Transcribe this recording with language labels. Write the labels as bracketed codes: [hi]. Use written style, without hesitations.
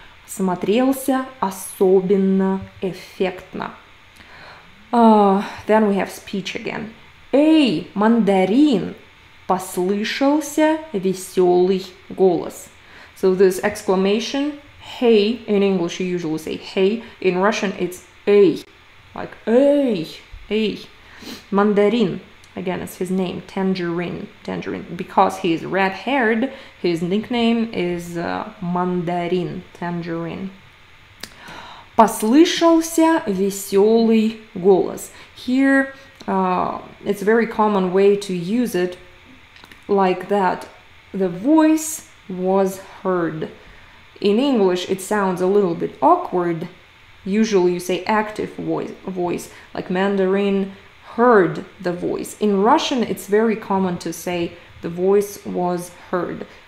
[ru] Смотрелся особенно эффектно. [en] Then we have speech again. [ru] Эй, мандарин! Послышался веселый голос. [en] So this exclamation, hey, in English you usually say hey, in Russian it's эй, like эй. [ru] Мандарин, [en] again it's his name, Tangerine. Because he is red-haired, his nickname is Мандарин, Tangerine. [ru] Послышался веселый голос. [en] Here, it's a very common way to use it, like that, the voice was heard. In English, it sounds a little bit awkward. Usually you say active voice, like Mandarin heard the voice. In Russian, it's very common to say the voice was heard.